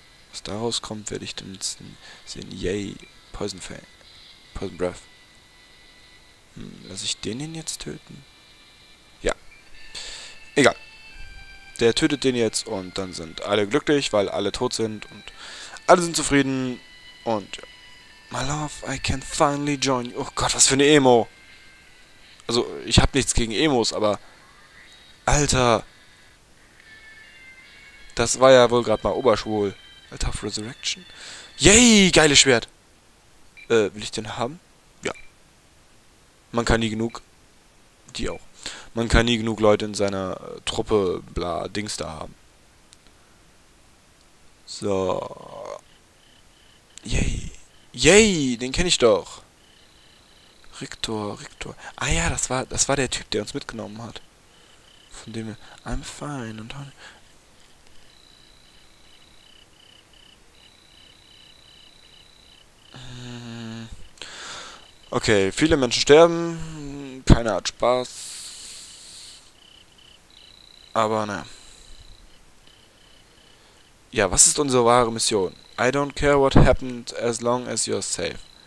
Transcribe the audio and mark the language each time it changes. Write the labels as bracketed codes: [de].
[de] Was daraus kommt, werde ich dann sehen. [en] Yay, Poison Fang. Poison Breath. [de] Lass ich den jetzt töten? Egal. Der tötet den jetzt und dann sind alle glücklich, weil alle tot sind und alle sind zufrieden. Und ja. [en] My love, I can finally join you. [de] Oh Gott, was für eine Emo. Also, ich hab nichts gegen Emos, aber. Alter. Das war ja wohl gerade mal oberschwul. Altar of Resurrection. Yay, geiles Schwert. Will ich den haben? Man kann nie genug. Die auch. Man kann nie genug Leute in seiner Truppe, bla, Dings da haben. So. Yay. Yay, den kenne ich doch. Rictor, Rictor. Ah ja, das war der Typ, der uns mitgenommen hat. Von dem wir. [en] I'm fine [de] und. Okay, viele Menschen sterben, keiner hat Spaß. Aber naja. Ja, was ist unsere wahre Mission? [en] I don't care what happened, as long as you're safe.